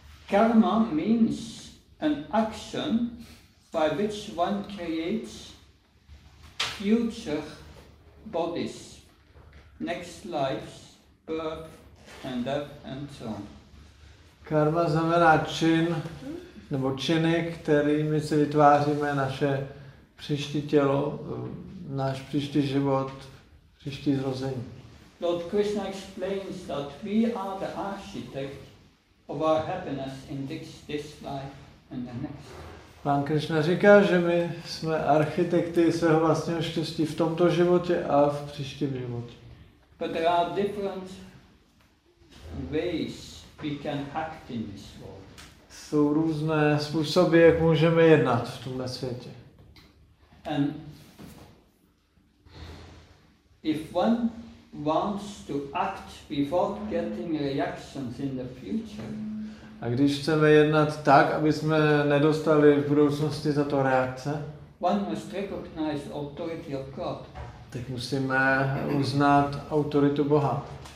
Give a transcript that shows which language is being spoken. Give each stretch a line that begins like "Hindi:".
English: Karma means an action by which one creates future bodies, next lives, birth, and death and so on.
Czech: Karma znamená čin, nebo činy, kterými si vytváříme naše příští tělo, náš příští život, příští zrození.
English: Lord Krishna explains that we are the architect of our happiness in this life and the next.
Czech: Pán Krishna říká, že my jsme architekty svého vlastního štěstí v tomto životě a v příštím životě.
English: But there are different ways we can act in this world.
Czech: Jsou různé způsoby, jak můžeme jednat v tomhle světě.
English: And if one wants to act without getting reactions in the future.
Czech: A když chceme jednat tak, aby jsme nedostali v budoucnosti za to reakce,
English: one must recognize authority of God.
Czech: Tak musíme uznat autoritu Boha.